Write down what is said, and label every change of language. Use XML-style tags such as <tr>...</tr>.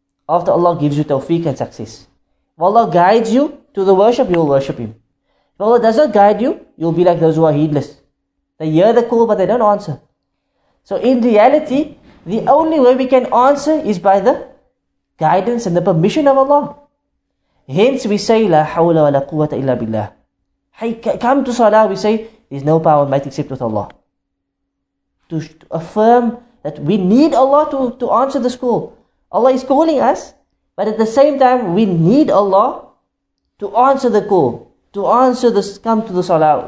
<en>After Allah gives you tawfiq and success. If Allah guides you to the worship, you will worship Him. If Allah doesn't guide you, you'll be like those who are heedless. They hear the call, but they don't answer. So in reality, the only way we can answer is by the guidance and the permission of Allah. Hence we say,</en> <ar>لا حول ولا قوة إلا بالله.</ar> <en>Hey, come to salah, we say, there's no power and might except with Allah. To affirm that we need Allah to answer this call. Allah is calling us, but at the same time, we need Allah to answer the call, to answer this, come to the salah.</en>